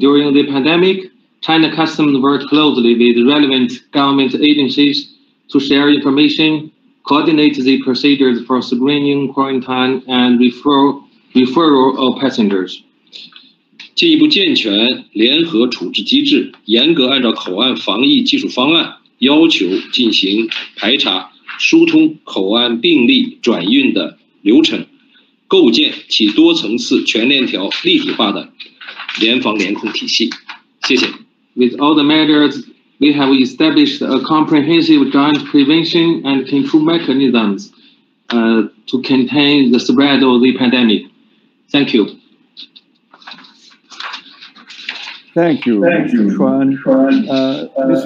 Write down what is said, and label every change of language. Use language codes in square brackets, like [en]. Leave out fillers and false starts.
[en] During the pandemic, China Customs worked closely with relevant government agencies to share information, coordinate the procedures for screening, quarantine, and referral of passengers. [zh] 进一步健全联合处置机制，严格按照口岸防疫技术方案要求进行排查、疏通口岸病例转运的流程。构建其多层次全链条立体化的联防联控体系。谢谢。 [en] With all the measures, we have established a comprehensive joint prevention and control mechanisms, to contain the spread of the pandemic. Thank you. Thank you, Chuan. Ms.